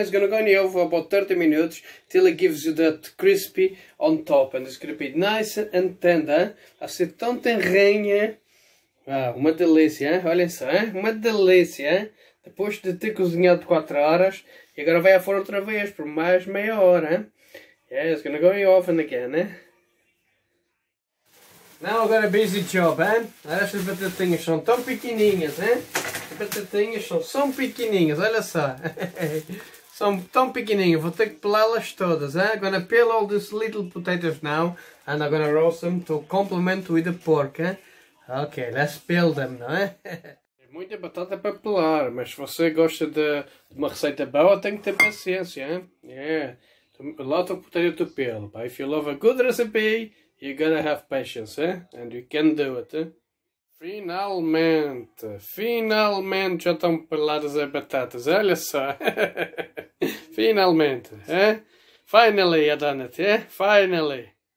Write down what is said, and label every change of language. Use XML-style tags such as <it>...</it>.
<en>It's gonna go in the oven for about 30 minutes till it gives you that crispy on top and it's gonna be nice and tender,</en> <pt>vai ser tão tenrinha. Ah, uma delícia, hein? Olhem só, hein? Uma delícia, hein? Depois de ter cozinhado 4 horas e agora vai ao forno outra vez por mais meia hora, hein?</pt> <en>Yeah, it's gonna go in the oven again, hein? Now I've got a busy job,</en> <pt>hein? Olha, estas batatinhas são tão pequenininhas, hein? As batatinhas são tão pequenininhas, olha só. São tão pequenininhas, vou ter que pelá-las todas, hein?</pt> <en>I'm gonna peel all these little potatoes now and I'm gonna roast them to complement with the pork, hein? Ok, let's peel them, não é?</en> <pt>É muita batata para pelar, mas se você gosta de uma receita boa, tem que ter paciência, hein?</pt> <en>Yeah, a lot of potato to peel, but if you love a good recipe, you gotta have patience, eh? And you can do it, eh? Finalmente!</en> <pt>Finalmente já estão peladas as batatas, eh? Olha só!</pt> <en>Finalmente, eh? Finally, I done it, eh? Finally!</en>